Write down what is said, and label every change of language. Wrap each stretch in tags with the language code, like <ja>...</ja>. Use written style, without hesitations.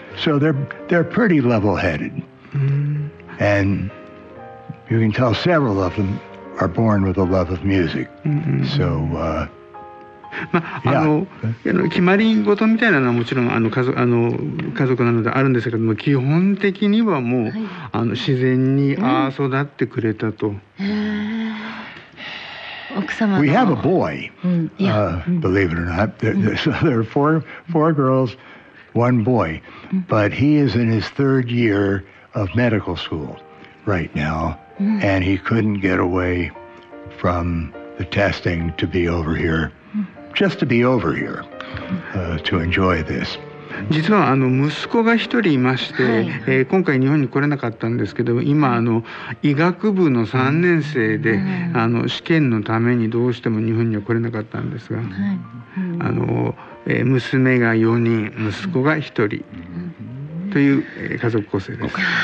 <en>So they're pretty level-headed. And you can tell several of them are born with a love of music. So,</en> <ja>まあ、決まり事みたいなのはもちろん家族なのであるんですけども、基本的にはもう、はい、自然に育ってくれたと、奥様の</ja> <en>We have a boy、believe it or not there are four girls, one boy、but he is in his third year of medical school right now、and he couldn't get away from the testing to be over hereJust to be over here, to enjoy this.</en> <ja>実は息子が一人いまして、はい、今回日本に来れなかったんですけど、今医学部の3年生で、試験のためにどうしても日本には来れなかったんですが、はい、娘が4人、息子が1人という、家族構成です。</ja>